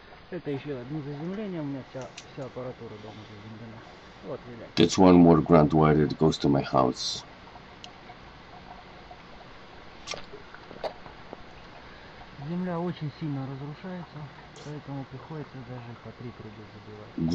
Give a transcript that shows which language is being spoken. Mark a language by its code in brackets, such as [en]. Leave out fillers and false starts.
[ru] Это еще одно заземление, у меня вся аппаратура дома заземлена. Вот, видите. [en] That's one more grand wire that goes to my house. [ru] Земля очень сильно разрушается, поэтому приходится даже по три круга забивать.